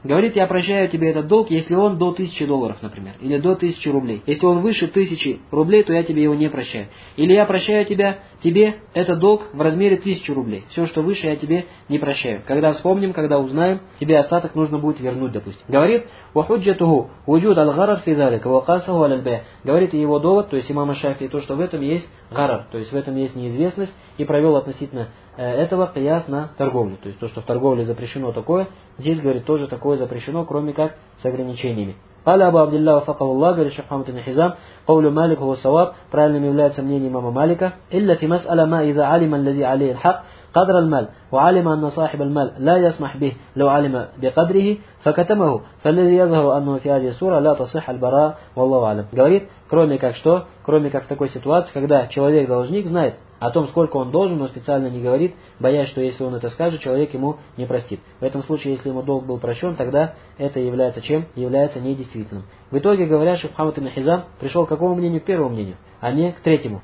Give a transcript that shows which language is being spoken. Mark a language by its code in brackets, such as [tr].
[ru] Говорит, я прощаю тебе этот долг, если он до 1000 долларов, например, или до 1000 рублей. Если он выше 1000 рублей, то я тебе его не прощаю. Или я прощаю тебе этот долг в размере 1000 рублей. Все, что выше, я тебе не прощаю. Когда вспомним, когда узнаем, тебе остаток нужно будет вернуть, допустим. [ar] Говорит, وَحُجَّتُهُ وُجُودَ الْغَرَرْ فِي ذَلِكَ وَقَاسَهُ عَلَى الْبَيْعِ. [ru] Говорит, и его довод, то есть имама Шафии, то, что в этом есть гарар, то есть в этом есть неизвестность, и провел относительно этого кияс на торговлю. То есть то, что в торговле запрещено такое, здесь, говорит, тоже такое запрещено, кроме как с ограничениями. [ar] قال أبو عبد الله وفقه الله قال الشيخ محمد بن حزام قول مالك هو الصواب [ru] правильным является мнение имама Малика [ar] إلا في مسألة ما إذا علم الذي عليه الحق قدر المال وعلم أن صاحب المال لا يسمح به لو علم بقدره فكتمه فالذي يظهر أنه في هذه السورة لا تصح البراء والله أعلم. [ru] Говорит, кроме как что, кроме как в такой ситуации, когда человек должник знает о том, сколько он должен, но специально не говорит, боясь, что если он это скажет, человек ему не простит. В этом случае, если ему долг был прощен, тогда это является чем? Является недействительным. В итоге, говоря, шейх Мухаммад ибн Хизам пришел к какому мнению? К первому мнению, а не к третьему.